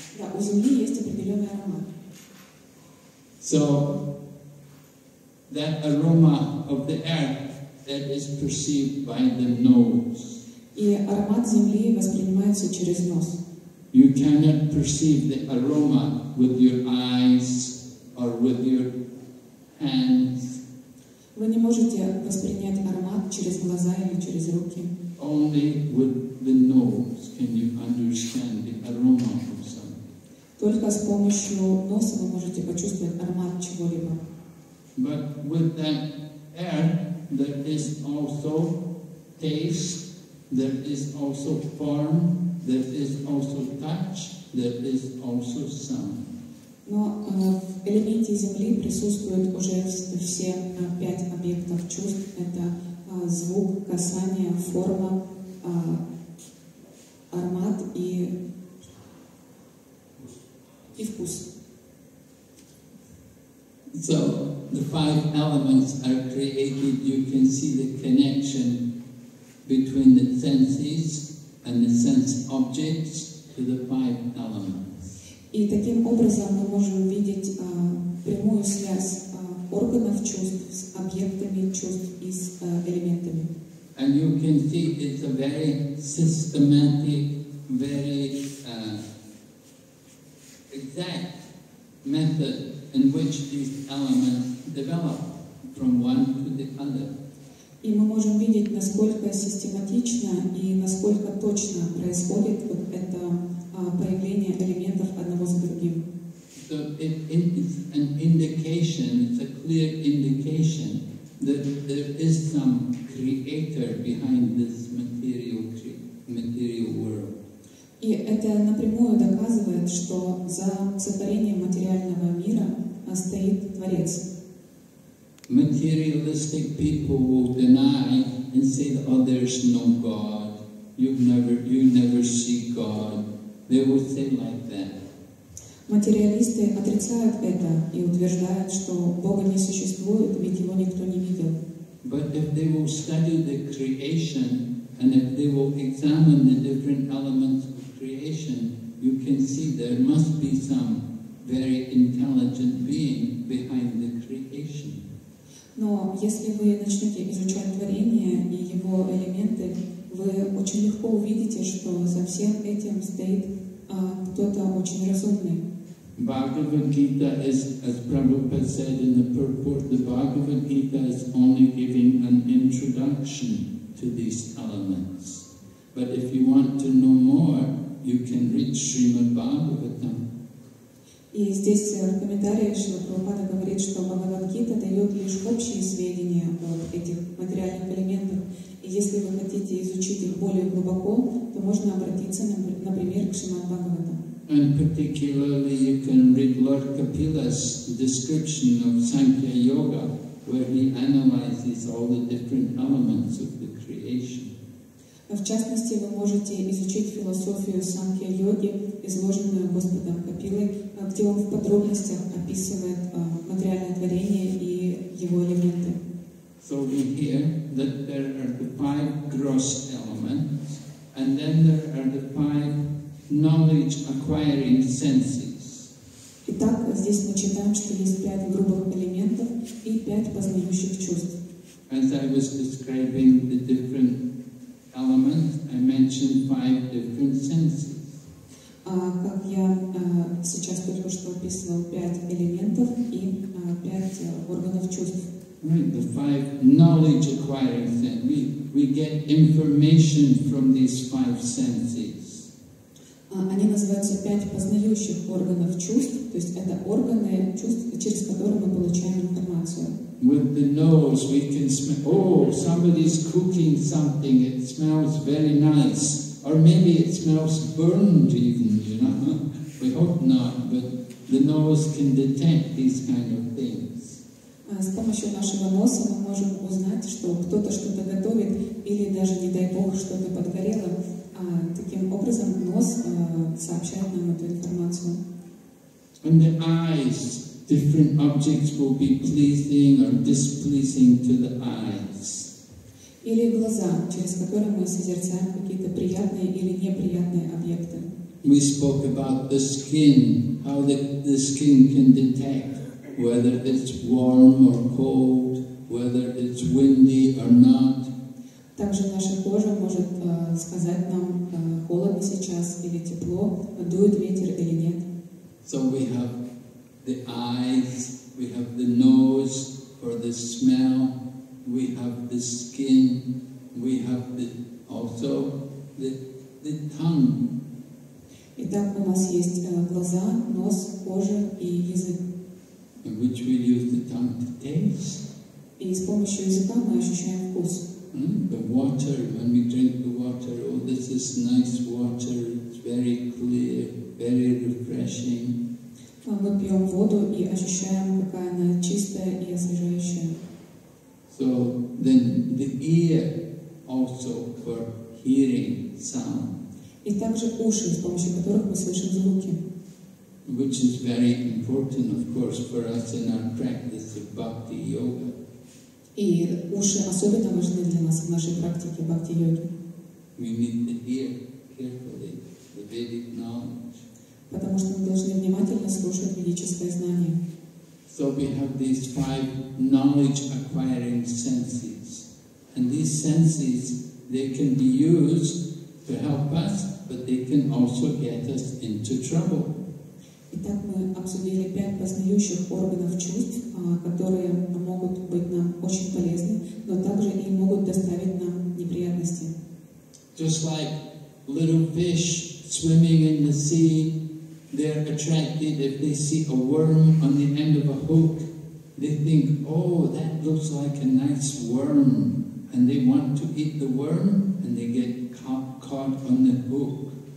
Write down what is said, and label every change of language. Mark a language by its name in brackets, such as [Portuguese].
[Russian] Да, у земли есть определенный аромат. [English] So that aroma of the earth that is perceived by the nose. [Russian] И аромат земли воспринимается через нос. [English] You cannot perceive the aroma with your eyes or with your hands. [Russian] Вы не можете воспринять аромат через глаза или через руки. [English] Only with the nose can you understand the aroma of something. [Russian] Только с помощью носа вы можете почувствовать аромат чего-либо. [English] But with that air, there is also taste, there is also form, there is also touch, there is also sound. [Russian] Но в элементе земли присутствуют уже все пять объектов чувств. Это звук, касание, форма, аромат и вкус. [English] So, the five elements are created, you can see the connection between the senses and the sense objects to the five elements. [Russian] И таким образом мы можем видеть прямую связь органов чувств с объектами чувств и с элементами. [English] And you can see it's a very systematic, very exact method in which these elements develop from one to the other. [Russian] И мы можем видеть, насколько систематично и насколько точно происходит вот это проявление элементов одного за другим. [English] So it is an indication, it's a clear indication that there is some creator behind this material world. [Russian] И это напрямую доказывает, что за сотворением материального мира стоит Творец. [English] Materialistic people will deny and say, oh, there's no God, you never see God. They will say like that. [Russian] Материалисты отрицают это и утверждают, что Бога не существует, ведь его никто не видел. [English] But if they will study the creation and if they will examine the different elements of creation, you can see there must be some very intelligent being behind the creation. [Russian] Но если вы начнете изучать творение и его элементы, вы очень легко увидите, что за всем этим стоит кто-то очень разумный. [English] Bhagavad Gita is, as Prabhupada said in the purport, the Bhagavad Gita is only giving an introduction to these elements. But if you want to know more, you can read Srimad Bhagavatam. [Russian] И здесь в комментариях Шрила Прабхупада говорит, что Бхагавад-гита дает лишь общие сведения о этих материальных элементах. И если вы хотите изучить их более глубоко, то можно обратиться, например, к Шримад-Бхагаватам. [English] And particularly you can read Lord Kapila's description of Sankhya Yoga, where he analyzes all the different elements of the creation. [Russian] В частности, вы можете изучить философию Санкхья-йоги, изложенную Господом Капилой, где он в подробностях описывает материальное творение и его элементы. [English] So we hear that there are the five gross elements, and then there are the five knowledge-acquiring senses. [Russian] Итак, здесь мы читаем, что есть пять грубых элементов и пять познающих чувств. [English] As I was describing the different element, I mentioned five different senses. [Russian] Как я сейчас только что описывал пять элементов и пять органов чувств. [English] Right, the five knowledge acquiring senses. We get information from these five senses. [Russian] Они называются пять познающих органов чувств, то есть это органы чувств, через которые мы получаем информацию. [English] With the nose, we can smell. Oh, somebody's cooking something. It smells very nice. Or maybe it smells burned, even. You know, we hope not. But the nose can detect these kind of things. [Russian] С помощью нашего носа мы можем узнать, что кто-то что-то готовит, или даже не дай бог что-то подгорело. Таким образом, нос сообщает нам эту информацию. [English] And the eyes. Different objects will be pleasing or displeasing to the eyes. [Russian] или глаза, через которые мы созерцаем какие-то приятные или неприятные объекты. [English] We spoke about the skin, how the skin can detect whether it's warm or cold, whether it's windy or not. [Russian] Также наша кожа может сказать нам, холодно сейчас или тепло, дует ветер или нет. [English] So we have the eyes, we have the nose for the smell, we have the skin, we have the, also the tongue. [Russian] Итак, у нас есть глаза, нос, кожа и язык. [English] And which we use the tongue to taste. [Russian] И с помощью языка мы ощущаем вкус. [English] The water, when we drink the water, oh, this is nice water, it's very clear, very refreshing. [Russian] Мы пьем воду и ощущаем, какая она чистая и освежающая. [English] So, then the ear also for hearing sound. [Russian] И также уши, с помощью которых мы слышим звуки. [English] Which is very important, of course, for us in our practice of bhakti yoga. [Russian] И уши особенно важны для нас в нашей практике бхакти-йоги. [English] We need to hear carefully the Vedic knowledge. [Russian] Потому что мы должны внимательно слушать ведическое знание. [English] So we have these five knowledge-acquiring senses. And these senses, they can be used to help us, but they can also get us into trouble. [Russian] Итак, мы обсудили пять познающих органов чувств, которые могут быть нам очень полезны, но также и могут доставить нам неприятности. [English] Just like little fish swimming in the sea, they're attracted if they see a worm on the end of a hook. They think, oh, that looks like a nice worm. And they want to eat the worm, and they get caught on the hook.